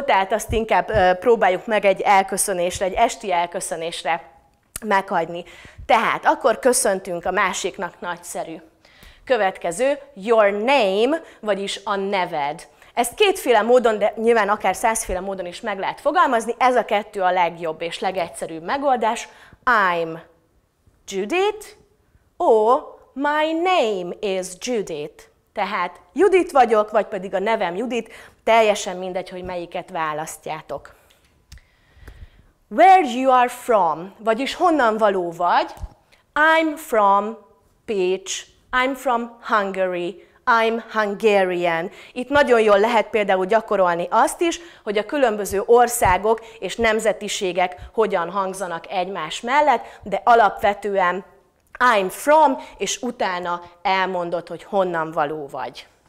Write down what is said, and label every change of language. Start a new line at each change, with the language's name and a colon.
Hungarian: Tehát azt inkább próbáljuk meg egy elköszönésre, egy esti elköszönésre meghagyni. Tehát akkor köszöntünk a másiknak, nagyszerű. Következő,
English: your name,
Hungarian: vagyis a neved. Ezt kétféle módon, de nyilván akár százféle módon is meg lehet fogalmazni, ez a kettő a legjobb és legegyszerűbb megoldás.
English: I'm Judith, or my name is Judith.
Hungarian: Tehát Judit vagyok, vagy pedig a nevem Judit, teljesen mindegy, hogy melyiket választjátok.
English: Where you are from,
Hungarian: vagyis honnan való vagy?
English: I'm from Pécs, I'm from Hungary, I'm Hungarian.
Hungarian: Itt nagyon jól lehet például gyakorolni azt is, hogy a különböző országok és nemzetiségek hogyan hangzanak egymás mellett, de alapvetően
English: I'm from,
Hungarian: és utána elmondod, hogy honnan való vagy.